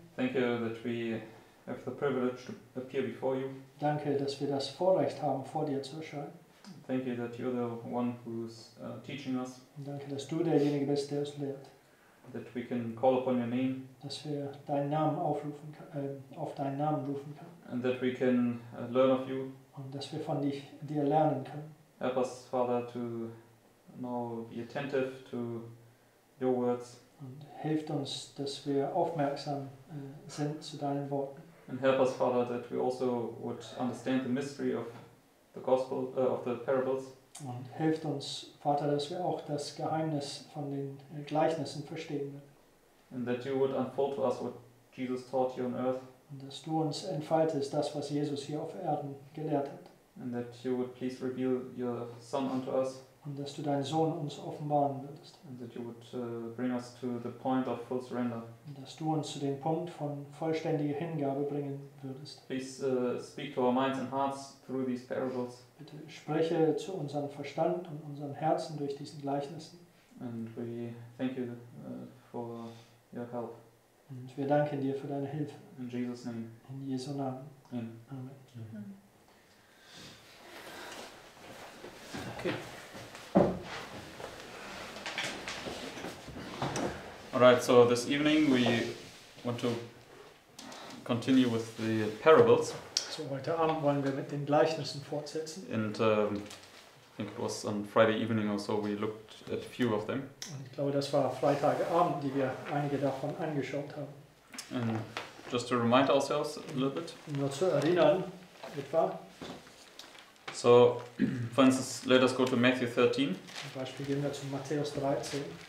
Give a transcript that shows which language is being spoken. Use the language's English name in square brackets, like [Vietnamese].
[English] Thank you that we have the privilege to appear before you. [German] Danke, dass wir das Vorrecht haben, vor dir zu erscheinen. [English] Thank you that you're the one who's teaching us. [German] Danke, dass du derjenige bist, der uns lehrt. [English] That we can call upon your name. [German] Dass wir deinen Namen aufrufen auf deinen Namen rufen können. [English] And that we can learn of you. [German] Und dass wir von dir lernen können. [English] Help us, Father, to now be attentive to your words. [German] Und hilf uns, dass wir aufmerksam sind zu deinen Worten. [English] And help us, Father, that we also would understand the mystery of the gospel of the parables. [German] Und hilft uns, Vater, dass wir auch das Geheimnis von den Gleichnissen verstehen werden. [English] And that you would unfold to us what Jesus taught you on earth. [German] Und dass du uns entfaltest das, was Jesus hier auf Erden gelehrt hat. [English] And that you would please reveal your Son unto us. [German] Und dass du deinen Sohn uns offenbaren würdest. [English] And that you would bring us to the point of full surrender. [German] Und dass du uns zu dem Punkt von vollständiger Hingabe bringen würdest. [English] Please speak to our minds and hearts through these parables. [German] Bitte spreche zu unserem Verstand und unseren Herzen durch diesen Gleichnissen. [English] And we thank you for your help. [German] Und wir danken dir für deine Hilfe. [English] In Jesus' name. [German] In Jesu Namen. [English] Amen. [German] Amen. Amen. [English] Okay. Alright, so this evening we want to continue with the parables. [German] So heute Abend wollen wir mit den Gleichnissen fortsetzen. [English] And I think it was on Friday evening or so we looked at a few of them. [German] Und ich glaube, das war Freitagabend, die wir einige davon angeschaut haben. [English] And just to remind ourselves a little bit. [German] Nur zu erinnern, etwa. [English] So, for instance, let us go to Matthew 13. [German] Zum Beispiel gehen wir zu Matthäus 13.